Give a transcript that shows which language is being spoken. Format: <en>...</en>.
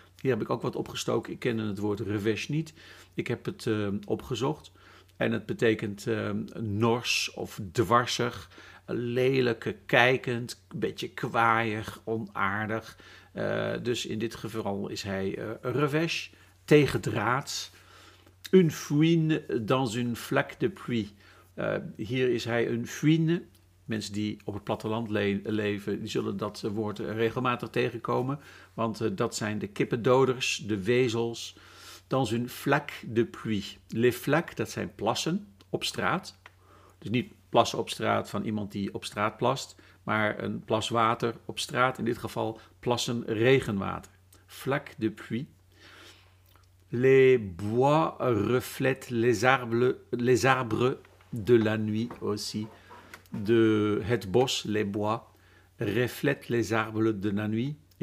<nl>Hier heb ik ook wat opgestoken. Ik kende het woord revêche niet. Ik heb het opgezocht. En het betekent nors of dwarsig. Lelijke, kijkend, beetje kwaaiig, onaardig. Dus in dit geval is hij revêche. Tegendraads.</nl> <fr>Une fouine dans une flaque de pluie.</fr> <nl>Hier is hij een fouine. Mensen die op het platteland leven, die zullen dat woord regelmatig tegenkomen. Want dat zijn de kippendoders, de wezels.</nl> <fr>Dans une flaque de pluie. Les flaques,</fr> <nl>dat zijn plassen op straat. Dus niet plassen op straat van iemand die op straat plast. Maar een plas water op straat. In dit geval plassen regenwater.</nl> <fr>Flaque de pluie. Les bois reflètent les arbres de la nuit aussi.</fr> <nl>De, het bos,</nl> <fr>les bois, reflète les arbres de la nuit.</fr>